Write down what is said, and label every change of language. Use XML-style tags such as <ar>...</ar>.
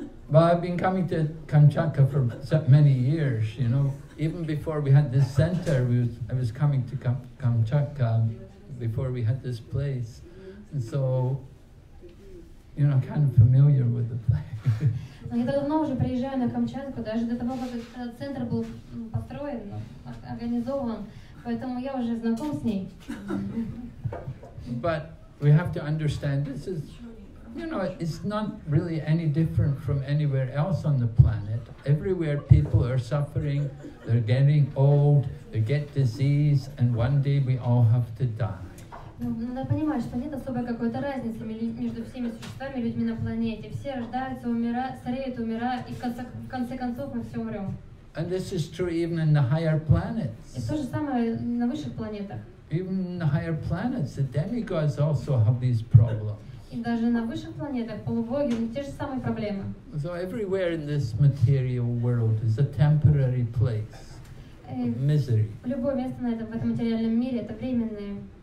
<en>Well, I've been coming to Kamchatka for many years, you know. Even before we had this center, I was coming to Kamchatka before we had this place. And so, you know, I'm kind of familiar with the place.</en> <ru>Я давно уже приезжаю на Камчатку, даже до того, как этот центр был построен, организован, поэтому я уже знаком с ней.</ru> <en>But we have to understand, this is, you know, it's not really any different from anywhere else on the planet. Everywhere people are suffering, they're getting old, they get disease, and one day we all have to die.</en> <ru>Надо понимать, что нет особой какой-то разницы между всеми существами и людьми на планете. Все рождаются, умирают, стареют, умирают, и в конце концов мы все умрем.</ru> <en>And this is true even in the higher planets.</en> <ru>И то же самое на высших планетах.</ru> <en>Even in the higher planets, the demigods also have these problems.</en> <ru>И даже на высших планетах, полубоги, те же самые проблемы.</ru> <en>So everywhere in this material world is a temporary place of misery.</en> <ru>Любое место на этом, в этом материальном мире, это временное.</ru>